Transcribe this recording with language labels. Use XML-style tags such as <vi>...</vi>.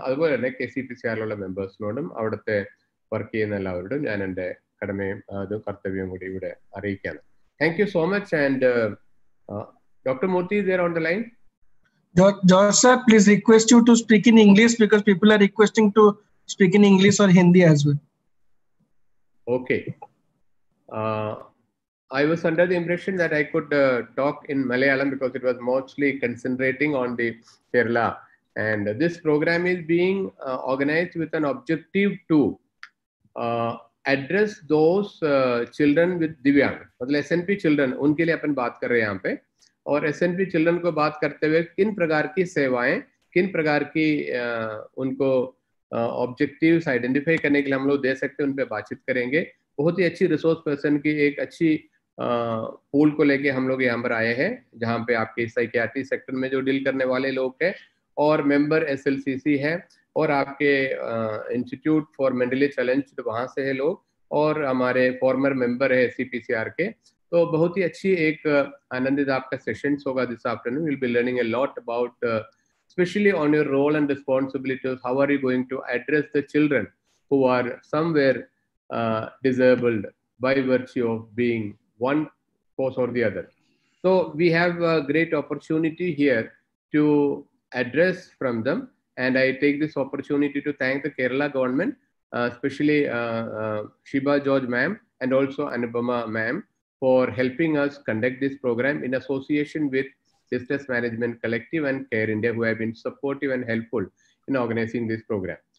<ml>അതുപോലെ തന്നെ KCPCR മെമ്പേഴ്സിനോടും അവിടുത്തെ വർക്ക് ചെയ്യുന്ന എല്ലാവരോടും ഞാൻ എൻ്റെ കടമയും അത് കർത്തവ്യവും കൂടി ഇവിടെ അറിയിക്കാണ്.</ml> <en>Thank you so much. And doctor Murthy is there on the line? George sir, please request you to speak in English because people are requesting to speak in English or Hindi as well. Okay. I was under the impression that I could talk in Malayalam because it was mostly concentrating on the Kerala. And this program is being organized with an objective to address those children with Divyang.</en> <hi>Matlab SNP children, unke liye apan baat kar rahe hain yahan pe. Aur SNP children ko baat karte hue kin prakar ki sevaen, kin prakar ki unko objective identify करने के लिए हम लोग दे सकते हैं, उन पर बातचीत करेंगे. बहुत ही अच्छी रिसोर्स पर्सन की एक अच्छी पूल को लेके हम लोग यहाँ पर आए हैं, जहाँ पे आपके साइकियाट्री सेक्टर में जो डील करने वाले लोग हैं और मेंबर SLCC है और आपके इंस्टीट्यूट फॉर मेंटली चैलेंज्ड वहाँ से है लोग और हमारे फॉर्मर मेंबर है SCPCR के. तो बहुत ही अच्छी एक आनंदित आपका सेशंस होगा</hi> <en>This afternoon. Will be learning a lot about especially on your role and responsibilities, how are you going to address the children. who are somewhere disabled by virtue of being one cause or the other. So we have a great opportunity here to address from them, and I take this opportunity to thank the Kerala government, especially Shiba George ma'am and also Anubhama ma'am, for helping us conduct this program in association with Sisters Management Collective and Care India, who have been supportive and helpful in organizing this program.</en>